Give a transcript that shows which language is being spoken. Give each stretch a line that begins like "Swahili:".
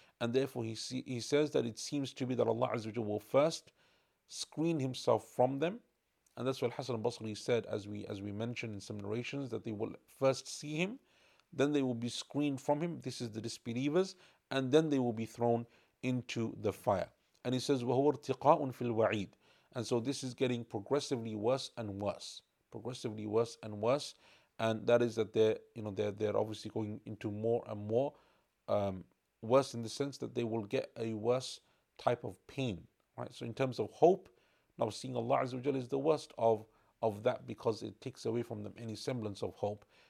English: And therefore he says that it seems to be that Allah Azza wa Jalla will first screen himself from them. And that's what Hassan al-Basri said, as we mentioned in some narrations, that they will first see him, then they will be screened from him. This is the disbelievers. And then they will be thrown into the fire. And he says,
Arabic: وَهُوَ ارْتِقَاءٌ فِي الْوَعِيدِ.
English: And so this is getting progressively worse and worse. Progressively worse and worse. And that is that they're obviously going into more and more worse, in the sense that they will get a worse type of pain. Right? So in terms of hope, now seeing Allah Azza wa Jalla is the worst of that, because it takes away from them any semblance of hope.